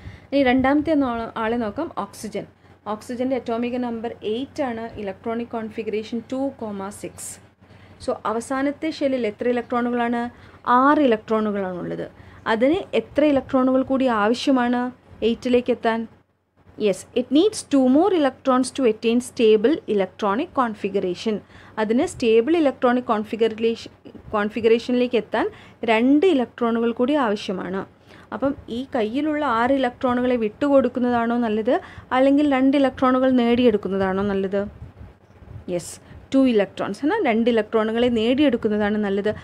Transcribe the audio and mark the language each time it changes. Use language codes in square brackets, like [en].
[ml] ഇനി രണ്ടാമത്തെ ആളെ നോക്കാം, ഓക്സിജൻ. ഓക്സിജൻ്റെ അറ്റോമിക് നമ്പർ 8 ആണ്. Electronic configuration 2.6. സോ അവസാനത്തെ ഷെല്ലിൽ എത്ര ഇലക്ട്രോണുകളാണ്? 6 ഇലക്ട്രോണുകളാണുള്ളത്. അതിന് എത്ര ഇലക്ട്രോണുകൾ കൂടി ആവശ്യമാണ് 8 എത്താൻ? [en] Yes, it needs 2 more electrons to attain stable electronic configuration. [ml] അതിന് stable electronic configurationലേക്ക് എത്താൻ 2 ഇലക്ട്രോണുകൾ കൂടി ആവശ്യമാണ്. അപ്പം ഈ കയ്യിലുള്ള 6 ഇലക്ട്രോണുകളെ വിട്ടുകൊടുക്കുന്നതാണോ നല്ലത്, അല്ലെങ്കിൽ 2 ഇലക്ട്രോണുകൾ നേടിയെടുക്കുന്നതാണോ നല്ലത്? യെസ്, 2 ഇലക്ട്രോൺസ് എന്നാൽ 2 ഇലക്ട്രോണുകളെ നേടിയെടുക്കുന്നതാണ് നല്ലത്.